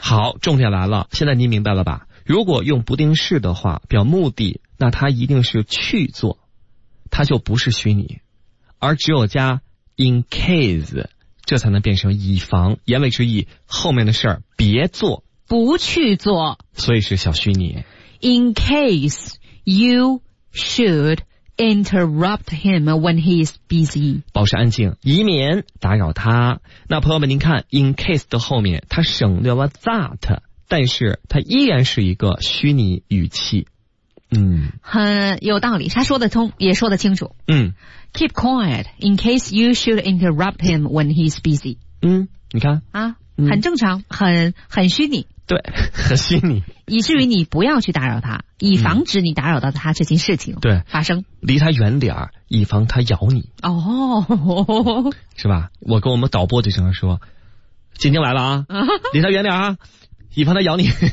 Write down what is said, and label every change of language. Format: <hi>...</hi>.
<zh>好，重点来了，现在您明白了吧？如果用不定式的话，表目的，那他一定是去做，他就不是虚拟，而只有加 in case， 这才能变成以防，言外之意，后面的事儿别做，不去做，所以是小虚拟。</zh> <en>In case you should interrupt him when he is busy，</en> <zh>保持安静，以免打扰他。那朋友们，您看 ，in case 的后面，它省略了 that， 但是它依然是一个虚拟语气。嗯，很有道理，他说得通，也说得清楚。嗯</zh> <en>，keep quiet in case you should interrupt him when he is busy。</en> <zh>嗯，你看啊，很正常，很虚拟。对，很虚拟，以至于你不要去打扰他，以防止你打扰到他这件事情对发生，离他远点，以防他咬你。哦，是吧？我跟我们导播就经常说，晶晶来了啊，离他远点啊，以防他咬你。</zh>